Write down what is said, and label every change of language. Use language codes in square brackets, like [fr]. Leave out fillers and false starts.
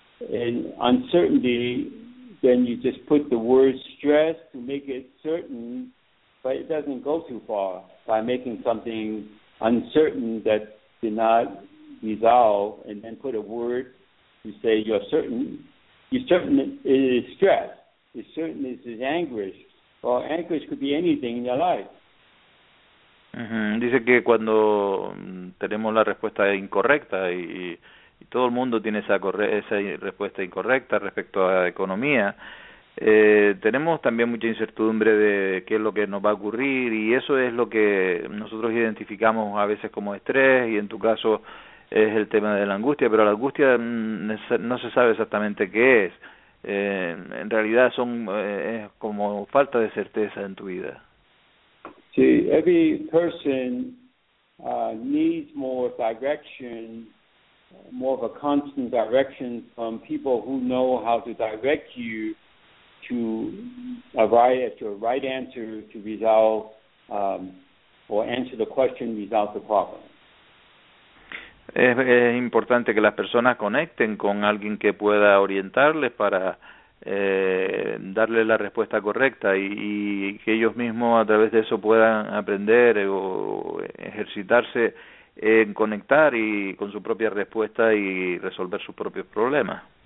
[en] and uncertainty, then you just put the word stress to make it certain, but it doesn't go too far by making something uncertain that did not resolve and then put a word to say you're certain. You certainly it is stress, is sadness, is anguish. Well, anguish could be anything in your life. [es] Dice que cuando tenemos la respuesta incorrecta y todo el mundo tiene esa respuesta incorrecta respecto a la economía, tenemos también mucha incertidumbre de qué es lo que nos va a ocurrir, y eso es lo que nosotros identificamos a veces como estrés, y en tu caso es el tema de la angustia, pero la angustia no se sabe exactamente qué es. En realidad son es como falta de certeza en tu vida. [en] See, every person needs more direction, more of a constant direction from people who know how to direct you to arrive at your right answer to resolve or answer the question, resolve the problem. [es] Es importante que las personas conecten con alguien que pueda orientarles para darle la respuesta correcta y que ellos mismos a través de eso puedan aprender o ejercitarse en conectar y con su propia respuesta y resolver sus propios problemas.